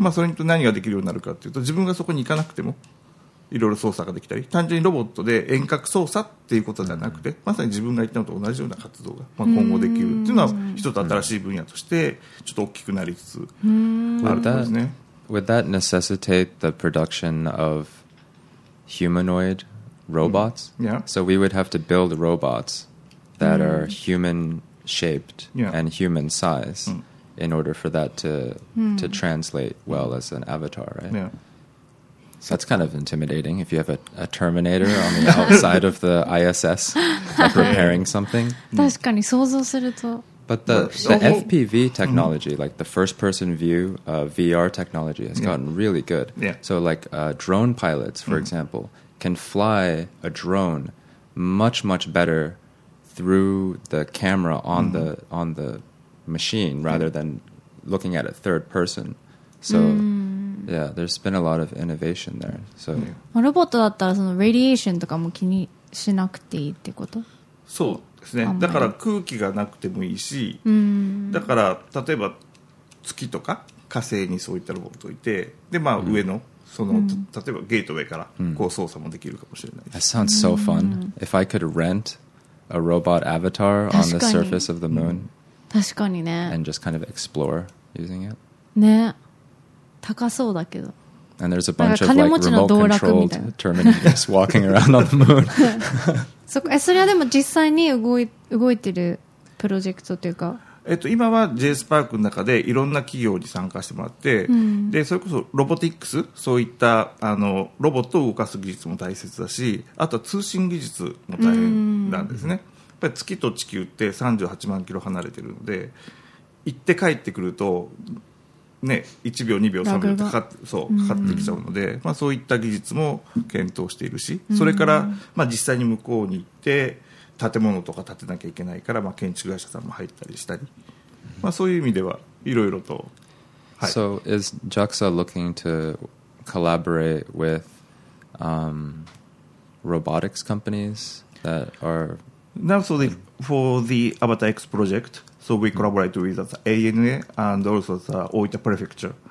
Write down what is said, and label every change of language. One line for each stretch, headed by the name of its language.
Japanese: まあ、それにと何ができるようになるかっていうと、自分がそこに行かなくてもいろいろ操作ができたり、単純にロボットで遠隔操作っていうことではなくて、まさに自分が言ったのと同じような活動が、まあ、今後できるっていうのは一つ新しい分野としてちょっと大きくなりつつあるんですね。
English: Would that necessitate the production of humanoid robots? Yeah. So we would have to build robots that are human shaped and human size in order for that to translate well as an avatar, right? Yeah. That's kind of intimidating if you have a Terminator on the outside of the ISS like preparing something.
Japanese: 確かに想像すると。
English: But the FPV technology, like the first person view VR technology has gotten really good. Yeah. So like drone pilots, for example, can fly a drone much, much better through the camera on the machine rather than looking at it third person. So... Yeah, there's been a lot of innovation there. So,
Japanese: ロボットだったらそのレディエーションとかも気にしなくていいってこと？そうですね。だから空気がなくてもいいし、うん、だから例えば月とか火星にそういったロボットいて、で、まあ、上のその、うん、例えばゲートウェイからこう操作もできるかもしれない。
English: That sounds so fun. If I could rent a robot avatar on the surface of the moon,
Japanese: 確かにね。
English: And just kind of explore using it.
Japanese: ね。高そうだけど。
English: And there's a bunch of like remote-controlled terminators walking around on the moon.
Japanese: それはでも実際に動いてるプロジェクトというか。今は J スパークの中でいろんな企業に参加してもらって、うん、でそれこそロボティックス、そういったあのロボットを動かす技術も大切だし、あとは通信技術も大変なんですね、うん、やっぱり月と地球って38万キロ離れてるので、行って帰ってくるとね、1秒2秒3秒かかってきちゃうので、うん、まあ、そういった技術も検討しているし、うん、それから、まあ、実際に向こうに行って建物とか建てなきゃいけないから、まあ、建築会社さんも入ったりしたり、まあ、そういう意味ではいろいろと、
English: はい、So is JAXA looking to collaborate with、robotics companies that are now so the, for the AvatarX projectSo we collaborate with the ANA and also the Oita Prefecture.、